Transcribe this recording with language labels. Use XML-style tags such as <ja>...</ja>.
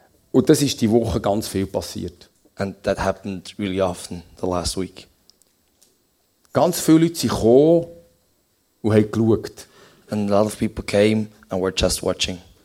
<de>Und das ist die Woche ganz viel passiert.</de> <en>And that happened really often the last week.</en> <de>Ganz viele Leute sind gekommen und haben geschaut.</de> <en>And a lot of people came and were just watching.</en>